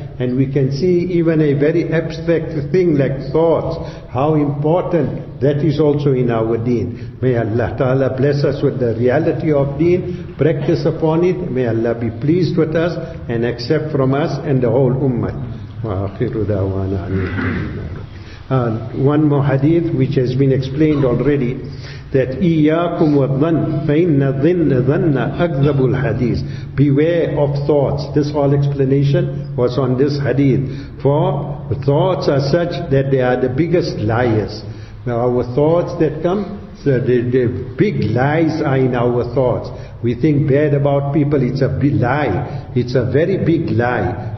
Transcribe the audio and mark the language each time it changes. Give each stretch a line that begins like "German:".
English: And we can see even a very abstract thing like thoughts, how important that is also in our deen. May Allah Ta'ala bless us with the reality of deen, practice upon it. May Allah be pleased with us and accept from us and the whole ummah.
Arabic: وآخر دعوانا أن
English: one more hadith which has been explained already, that
Arabic: إياكم والظن فإن الظن ظن أكذب الحديث.
English: Beware of thoughts. This whole explanation was on this hadith. For thoughts are such that they are the biggest liars. Now our thoughts that come, so the big lies are in our thoughts. We think bad about people, it's a big lie. It's a very big lie.